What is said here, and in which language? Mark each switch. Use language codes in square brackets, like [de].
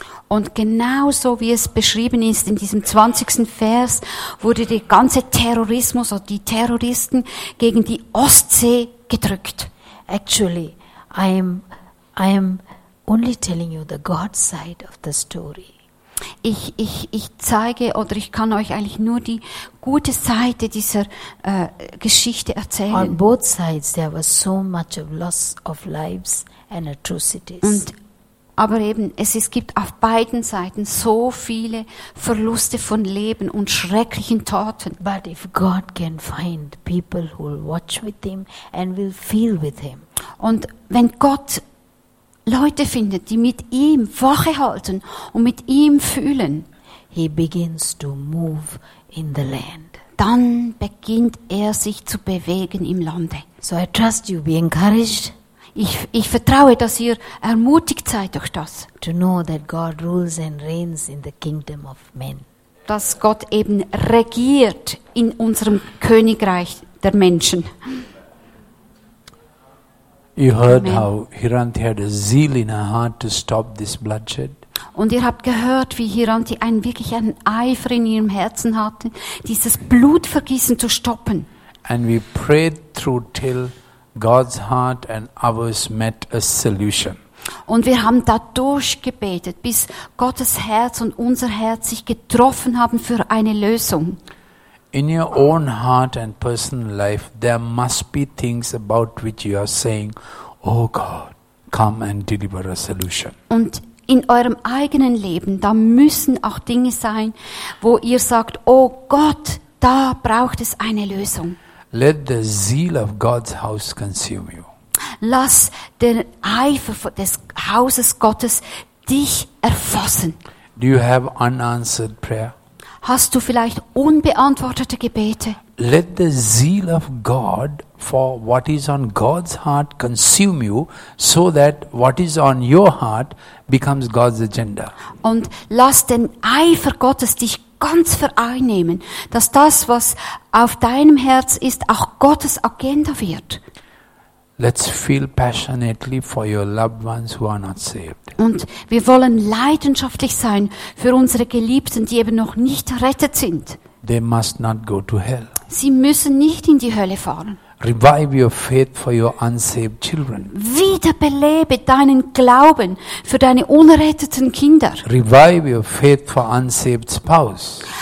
[de] Und genau so, wie es beschrieben ist in diesem 20. Vers, wurde der ganze Terrorismus oder die Terroristen gegen die Ostsee gedrückt. [en] Actually, I am only telling you the God side of the story. [de] Ich zeige oder ich kann euch eigentlich nur die gute Seite dieser Geschichte erzählen. [en] On both sides there was so much of loss of lives and atrocities. [de] Aber eben, es gibt auf beiden Seiten so viele Verluste von Leben und schrecklichen Taten. [en] But if God can find people who will watch with him and will feel with him. [de] Und wenn Gott Leute findet, die mit ihm Wache halten und mit ihm fühlen, [en] he begins to move in the land. [de] Dann beginnt er sich zu bewegen im Lande. [en] So I trust you, be encouraged. [de] Ich vertraue, dass ihr ermutigt seid durch das. [en] To know that God rules and reigns in the kingdom of men. [de] Dass Gott eben regiert in unserem Königreich der Menschen. [en] You heard how Hiranti had a zeal in her heart to stop this bloodshed. [de] Und ihr habt gehört, wie Hiranti einen Eifer in ihrem Herzen hatte, dieses Blutvergießen zu stoppen. [en] And we prayed through till God's heart and ours met a solution. [de] Und wir haben dadurch gebetet, bis Gottes Herz und unser Herz sich getroffen haben für eine Lösung. [en] In your own heart and personal life, there must be things about which you are saying, "Oh God, come and deliver a solution." [de] Und in eurem eigenen Leben, da müssen auch Dinge sein, wo ihr sagt, "Oh Gott, da braucht es eine Lösung." [en] Let the zeal of God's house consume you. [de] Lass den Eifer des Hauses Gottes dich erfassen. [en] Do you have unanswered prayer? [de] Hast du vielleicht unbeantwortete Gebete? [en] Let the zeal of God for what is on God's heart consume you, so that what is on your heart becomes God's agenda. [de] Und lass den Eifer Gottes dich ganz vereinnehmen, dass das, was auf deinem Herz ist, auch Gottes Agenda wird. [en] Let's feel passionately for your loved ones who are not saved. [de] Und wir wollen leidenschaftlich sein für unsere Geliebten, die eben noch nicht errettet sind. [en] They must not go to hell. [de] Sie müssen nicht in die Hölle fahren. [en] Revive your faith for your unsaved children. [de] Wiederbelebe deinen Glauben für deine unerretteten Kinder. [en] Revive your faith for unsaved spouse.